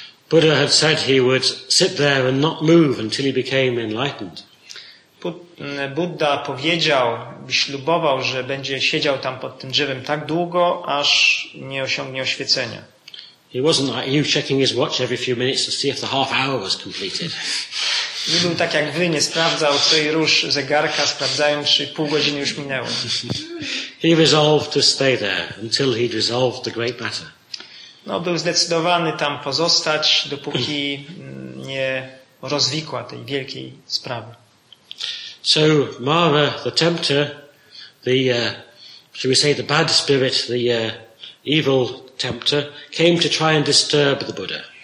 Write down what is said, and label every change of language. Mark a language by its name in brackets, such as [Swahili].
[English] Buddha had said he would sit there and not move until he became enlightened. [Polish] Buddha powiedział, ślubował, że będzie siedział tam pod tym drzewem tak długo, aż nie osiągnie oświecenia. [English] He wasn't like you checking his watch every few minutes to see if the half hour was completed. [Polish] Nie był tak jak wy, nie sprawdzał tej rusz zegarka, sprawdzając, czy pół godziny już minęło. [English] He resolved to stay there until he'd resolved the great matter. [Polish] No, był zdecydowany tam pozostać, dopóki nie rozwikła tej wielkiej sprawy. [English] So Mara, the tempter, the should we say the bad spirit, the evil tempter, came to try and disturb the Buddha.